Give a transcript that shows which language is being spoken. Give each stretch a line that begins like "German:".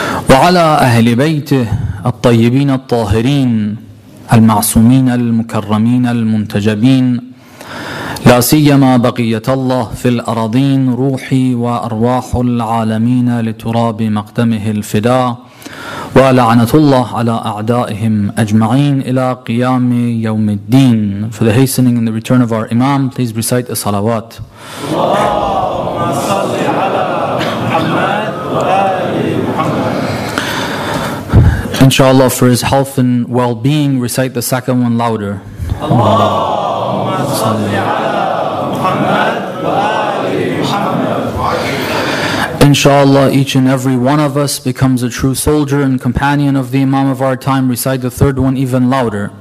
Arabic: وعلى أهل بيته الطيبين الطاهرين المعصومين المكرمين المنتجبين لا سيما بقية الله في الأراضين روحي وأرواح العالمين لتراب مقدمه الفداء ولعنة الله على أعدائهم أجمعين إلى قيام يوم الدين.
English: For the hastening and the return of our Imam, please recite the salawat.
Arabic: اللهم صل على محمد وآل محمد.
English: Inshallah, for his health and well-being, recite the second one louder.
Arabic: اللهم صل على محمد وآل محمد.
English: Inshallah, each and every one of us becomes a true soldier and companion of the Imam of our time. Recite the third one even louder.